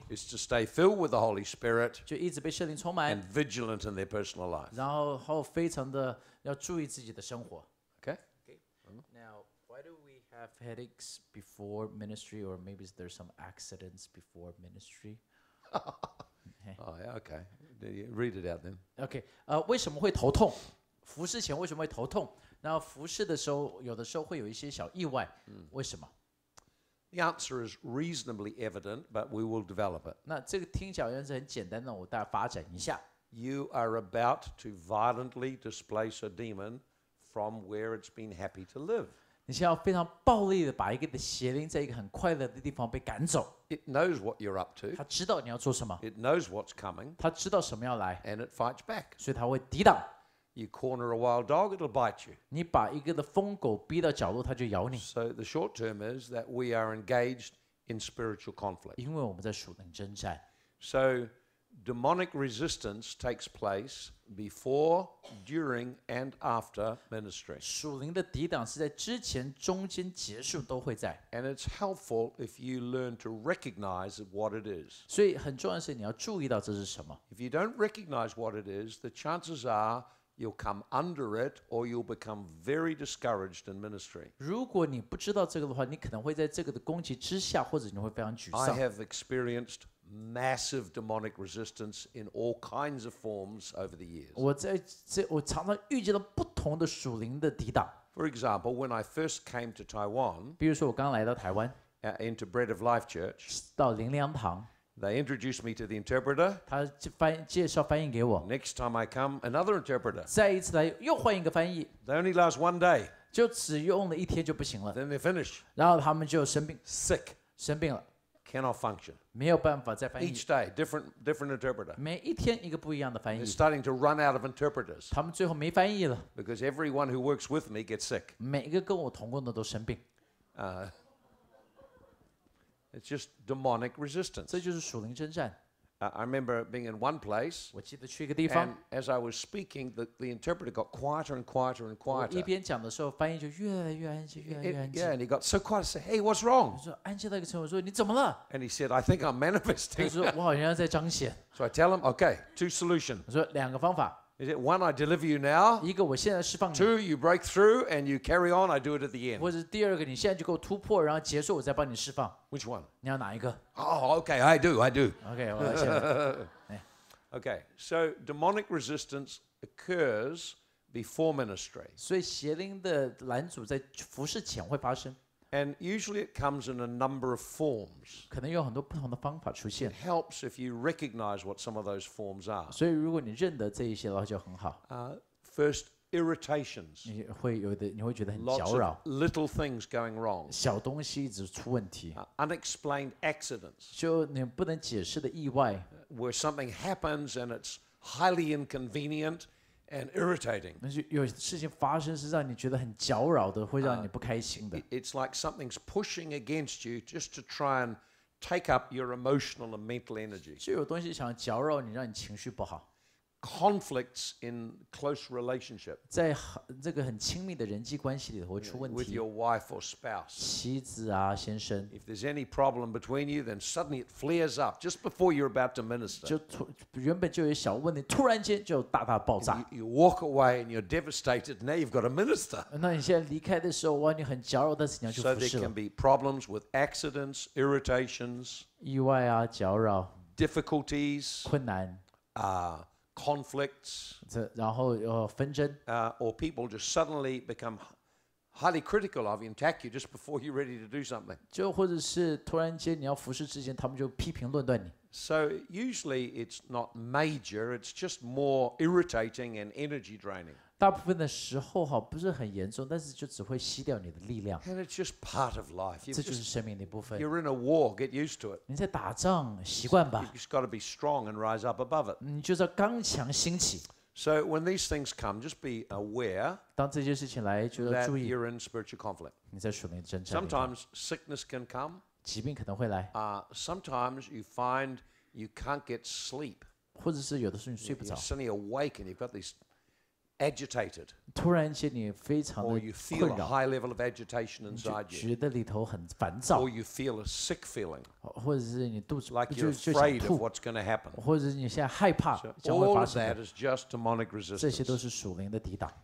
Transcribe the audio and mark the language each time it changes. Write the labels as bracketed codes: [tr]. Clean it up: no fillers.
[en] is to stay filled with the Holy Spirit [zh] 就一直被圣灵充满 [en] and vigilant in their personal life [zh] 然后非常的要注意自己的生活 [en] Okay. Okay. Now, why do we have headaches before ministry or maybe there's some accidents before ministry? Okay. Oh, okay. Read it out then. [zh] Okay. 为什么会头痛？服侍前为什么会头痛？那服侍的时候，有的时候会有一些小意外，为什么 [en] ？The answer is reasonably evident, but we will develop it. [zh] 那这个听起来好像是很简单的，我大概发展一下。 [en] You are about to violently displace a demon from where it's been happy to live. [zh] 你现在要非常暴力的把一个的邪灵在一个很快乐的地方被赶走。 [en] It knows what you're up to. [zh] 它知道你要做什么。 [en] It knows what's coming. [zh] 它知道什么要来。 [en] And it fights back. [zh] 所以它会抵挡。 [en] You corner a wild dog, it'll bite you. [zh] 你把一个的疯狗逼到角落，它就咬你。 [en] So the short term is that we are engaged in spiritual conflict. [zh] 因为我们在属灵征战。 [en] So demonic resistance takes place before, during, and after ministry. [zh] 属灵的抵挡是在之前、中间、结束都会在。 [en] And it's helpful if you learn to recognize what it is. [zh] 所以很重要的是你要注意到这是什么。 [en] If you don't recognize what it is, the chances are You'll come under it, or you'll become very discouraged in ministry. [zh] 如果你不知道这个的话，你可能会在这个的攻击之下，或者你会非常沮丧。 [en] I have experienced massive demonic resistance in all kinds of forms over the years. [zh] 我常常遇见了不同的属灵的抵挡。 [en] For example, when I first came to Taiwan, [zh] 比如说我刚来到台湾 [en] into Bread of Life Church, [zh] 到灵粮堂。 [en] They introduced me to the interpreter. [zh] 他介绍翻译给我。 [en] Next time I come, another interpreter. [zh] 再一次来又换一个翻译。 [en] They only last one day. [zh] 就只用了一天就不行了。 [en] Then they finish. [zh] 然后他们就生病。 [en] Sick. [zh] 生病了。 [en] Cannot function. [zh] 没有办法再翻译。 [en] Each day, different interpreter. [zh] 每一天一个不一样的翻译。 [en] They're starting to run out of interpreters. [zh] 他们最后没翻译了。 [en] Because everyone who works with me gets sick. [zh] 每一个跟我同工的都生病。 [en] It's just demonic resistance. [zh] 这就是属灵征战。 [en] I remember being in one place. [zh] 我记得去一个地方。 [en] And as I was speaking, the interpreter got quieter and quieter and quieter. [zh] 我一边讲的时候，翻译就越来越安静，越来越安静。 [en] Yeah, and he got so quiet. I said, "Hey, what's wrong?" [zh] 我说安静到一个程度，我说你怎么了 [en] ？And he said, "I think I'm manifesting." [zh] 他说我好像在彰显。 [en] So I tell him, "Okay, two solutions." [zh] 我说两个方法。 [en] He said, "One, I deliver you now." [zh] 一个我现在释放你。 [en] Two, you break through and you carry on. I do it at the end. [zh] 或者第二个，你现在就给我突破，然后结束，我再帮你释放。 [en] Which one? [zh] 你要哪一个 [en] ？Oh, okay, I do, I do. [zh] Okay, 我先。 [en] Okay, so demonic resistance occurs before ministry. [zh] 所以邪灵的拦阻在服事前会发生。 [en] And usually it comes in a number of forms. [zh] 可能有很多不同的方法出现。 [en] It helps if you recognize what some of those forms are. [zh] 所以如果你认得这一些的话就很好。 [en] First, irritations. [zh] 你会觉得很搅扰。 [en] Lots of little things going wrong. [zh] 小东西一直出问题。 [en] Unexplained accidents. [zh] 就你不能解释的意外。 [en] Where something happens and it's highly inconvenient and irritating. [zh] 有事情发生是让你觉得很搅扰的，会让你不开心的。 [en] It's like something's pushing against you just to try and take up your emotional and mental energy. [zh] 就有东西想搅扰你，让你情绪不好。 [en] Conflicts in close relationship. [zh] 在这个很亲密的人际关系里头会出问题。 [en] With your wife or spouse. [zh] 妻子啊，先生。 [en] If there's any problem between you, then suddenly it flares up just before you're about to minister. [zh] 原本就有小问题，突然间就大大爆炸。 [en] You walk away and you're devastated. Now you've got a minister. [zh] 那你现在离开的时候，哇，你很焦躁，但是你要去服侍。 [en] So there can be problems with accidents, irritations, [zh] 意外啊，搅扰。 [en] Difficulties, [zh] 困难。 [en] Conflicts, [zh] 然后纷争, [en] or people just suddenly become highly critical of you and attack you just before you're ready to do something. [zh] 就或者是突然间你要服侍之前，他们就批评论断你。 [en] So usually it's not major; it's just more irritating and energy draining. [zh] 大部分的时候哈不是很严重，但是就只会吸掉你的力量。 [en] And it's just part of life. [zh] 这就是生命的一部分。 [en] You're in a war; get used to it. [zh] 你在打仗，习惯吧。 [en] You just got to be strong and rise up above it. [zh] 你就是要刚强兴起。 [en] So when these things come, just be aware. [zh] 当这些事情来，就要注意。 [en] That you're in spiritual conflict. [zh] 你在属灵征战。 [en] Sometimes sickness can come. [zh] 疾病可能会来。 [en] Sometimes you find you can't get sleep. [zh] 或者是有的时候你睡不着。 [en] You're suddenly awake and you've got these. Agitated. [zh] 突然间你非常的困扰, [en] or you feel a high level of agitation inside you. [zh] 觉得里头很烦躁, [en] or you feel a sick feeling. [zh] 或者是你肚子, [en] like you're afraid of what's going to happen. [zh] 或者是你现在害怕, [en] so all of that is just demonic resistance. [zh] 这些都是属灵的抵挡,